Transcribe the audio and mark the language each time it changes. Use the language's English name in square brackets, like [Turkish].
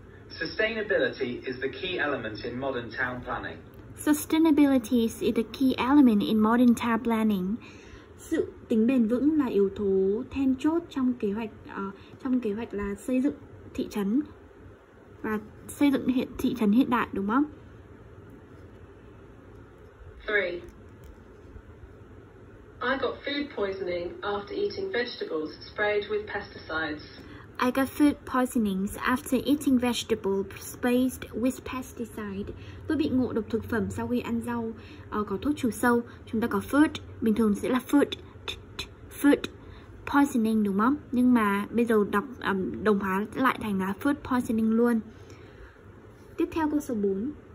[English] Sustainability is the key element in modern town planning. Sustainability is the key element in modern town planning. [Vietnamese] Sự tính bền vững là yếu tố then chốt trong kế hoạch là xây dựng thị trấn và xây dựng thị trấn hiện đại, đúng không? 3. [English] I got food poisoning after eating vegetables sprayed with pesticides. I got food poisoning after eating vegetables sprayed with pesticide. [Vietnamese] Tôi bị ngộ độc thực phẩm sau khi ăn rau có thuốc trừ sâu. Chúng ta có food, bình thường sẽ là food, food poisoning đúng không? Nhưng mà bây giờ đọc đồng hóa lại thành là food poisoning luôn. Tiếp theo câu số 4.